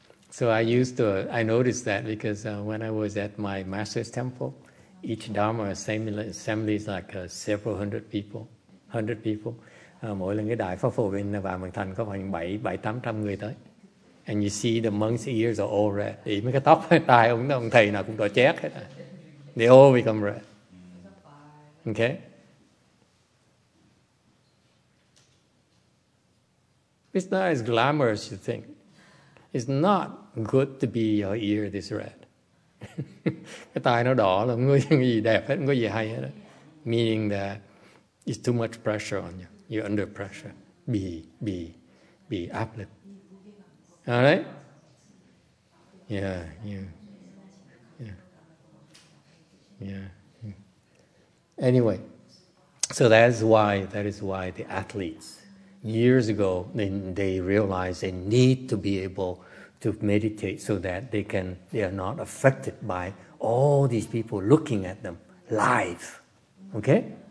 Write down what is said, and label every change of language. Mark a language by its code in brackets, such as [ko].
[en] So I noticed that because when I was at my master's temple, each Dharma assembly is like several hundred people. [vi] Mỗi lần cái đại pháp phổ bên Vạn Vật Thành có khoảng 700-800 người tới. [en] And you see the monks' ears are all red. [vi] Thì mấy cái tóc tai ông thầy nào cũng đỏ chét hết. [en] They all become red. Okay. It's not as glamorous as you think. It's not good to be your ear this red. [vi] Cái tai nó đỏ là không có gì đẹp hết, không có gì hay hết. [en] Meaning that it's too much pressure on you. You're under pressure. Be uplifted. All right? Yeah. Anyway, so that is why the athletes, years ago, they realized they need to be able to meditate so that they are not affected by all these people looking at them live. Okay?